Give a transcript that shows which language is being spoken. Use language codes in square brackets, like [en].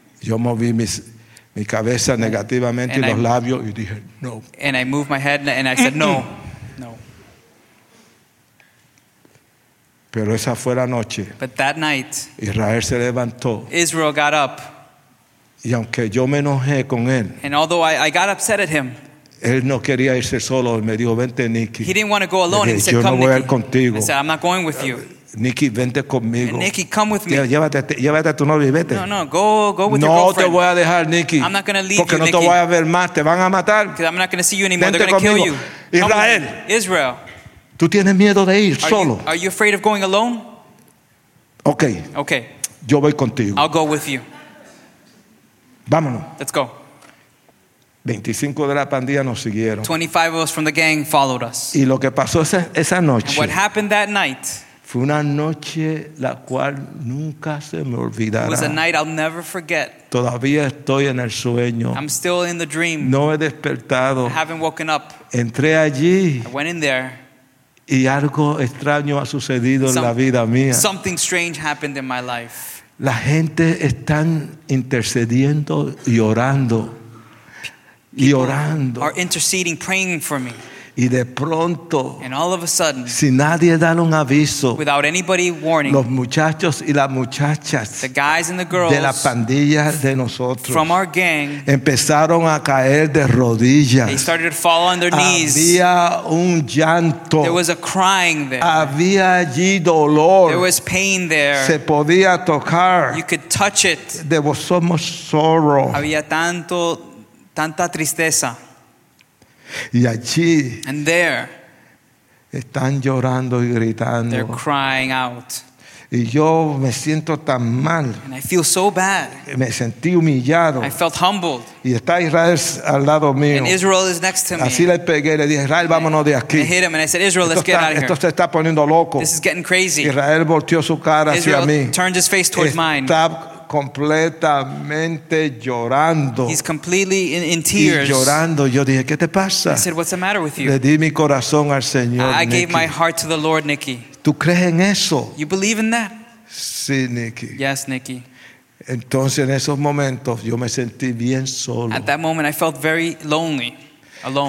[es] Yo moví mis mi cabeza negativamente y los labios y dije no. [en] And I moved my head and I said no. [es] No. Pero esa fue la noche. [en] But that night, [es] Israel se levantó. [en] Israel got up. [es] Y aunque yo me enojé con él. [en] And although I got upset at him. [es] Él no quería irse solo, me dijo vente Nicky. [en] He didn't want to go alone. [es] Dije, [en] he said [es] yo no [en] come [es] voy [en] Nicky. [es] Contigo. [en] I said I'm not going with you. [es] Nicky, vente conmigo. [en] And Nicky, come with me. [es] Llévate a tu novio y vete. [en] No, no, go with your girlfriend. [es] No te voy a dejar, Nicky. [en] I'm not going to leave [es] porque [en] you, [es] no [en] Nicky. [es] Te voy a ver más. Te van a matar. [en] Because I'm not going to see you anymore. [es] Vente [en] They're going to kill you. [es] Israel. [en] Israel. [es] ¿Tú tienes miedo de ir solo? [en] Are you afraid of going alone? [es] Okay. [en] Okay. [es] Yo voy contigo. [en] I'll go with you. [es] Vámonos. [en] Let's go. [es] 25 de la pandilla nos siguieron. [en] 25 of us from the gang followed us. [es] Y lo que pasó esa noche. [en] And what happened that night. [es] Fue una noche la cual nunca se me olvidará. [en] It was a night I'll never forget. [es] Todavía estoy en el sueño. [en] I'm still in the dream. [es] No he despertado. [en] I haven't woken up. [es] Entré allí. [en] I went in there. [es] Y algo extraño ha sucedido en la vida mía. [en] Something strange happened in my life. [es] La gente están intercediendo y orando. [en] People [es] y orando. [en] Are interceding, praying for me. [es] Y de pronto, [en] and all of a sudden, [es] sin nadie dar un aviso, [en] without anybody warning, [es] los muchachos y las muchachas, [en] the guys and the girls, [es] de la pandilla de nosotros, [en] from our gang, [es] empezaron a caer de rodillas. [en] They started to fall on their knees. [es] Había un llanto. [en] There was a crying there. [es] Había allí dolor. [en] There was pain there. [es] Se podía tocar. [en] You could touch it. [es] De vosotros [en] sorrow. [es] Había tanto. Tanta tristeza. Y allí, [en] and there, [es] están llorando y gritando. [en] They're crying out. [es] Y yo me siento tan mal. [en] And I feel so bad. [es] Me sentí humillado. [en] I felt humbled. [es] Y está Israel al lado mío. [en] And Israel is next to me. [es] Así le pegué, le dije, Israel, vámonos de aquí. [en] I hit him and I said, Israel, let's get out of here. [es] Esto se está poniendo loco. [en] This is getting crazy. [es] Israel volteó su cara hacia mí. [en] Israel turned his face towards mine. [es] Completamente llorando. [en] He's completely in tears. [es] Y llorando, yo dije, ¿qué te pasa? [en] I said, what's the matter with you? [es] Le di mi corazón al Señor. [en] I gave my heart to the Lord, Nicky. [es] ¿Tú crees en eso? [en] You believe in that? [es] Sí, Nicky. [en] Yes, Nicky. [es] Entonces, en esos momentos, yo me sentí bien solo. [en] At that moment, I felt very lonely, alone.